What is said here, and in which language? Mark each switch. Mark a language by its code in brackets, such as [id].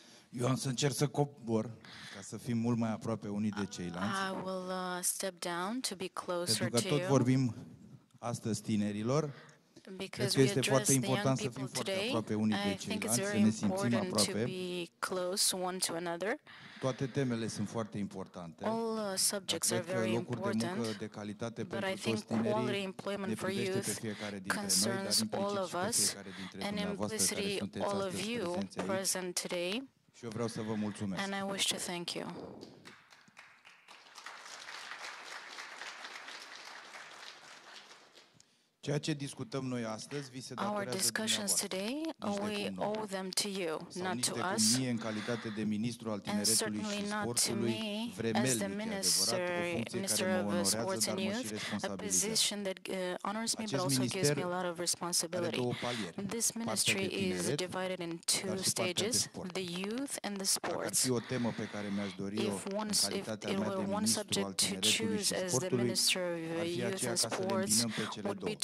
[ro] Eu am să încerc să cobor ca să fim mult mai aproape unii de ceilalți. [en] I will step down to be closer to you. [ro] Pentru că tot vorbim astăzi tinerilor. [en] Because we address the young people today, I think it's very important to be close one to another. [ro] Toate temele sunt foarte importante. [en] All subjects are very important, [ro] de calitate, [en] but I think quality employment for youth concerns [ro] noi, [en] all of us, and implicitly all of you present today, [ro] și eu vreau să vă mulțumesc. [en] And I wish to thank you. [ro] Ceea ce discutăm noi astăzi vi se datorează. [en] Our discussions today, we owe them to you, not to us. [ro] Mie, în calitate de ministru al tineretului și sportului, vremelnic, [en] as the minister, of sports and youth, a position that honors me but also gives me a lot of responsibility. This ministry is divided in two stages, the youth and the sports. [ro] Dacă ar fi o temă pe care mi-aș dori o, în calitatea mea de ministru al tineretului și sportului, ar fi aceea ca să le îmbinăm pe cele două.